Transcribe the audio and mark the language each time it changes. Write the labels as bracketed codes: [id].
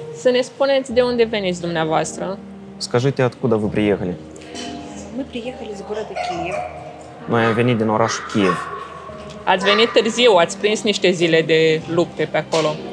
[ro] Să ne spuneți de unde veniți dumneavoastră. [ru] Скажите, откуда вы приехали? Мы приехали из города Киев. [ro] Мы venit din orașul Kiev. Ați venit târziu, ați prins niște zile de lupte pe acolo.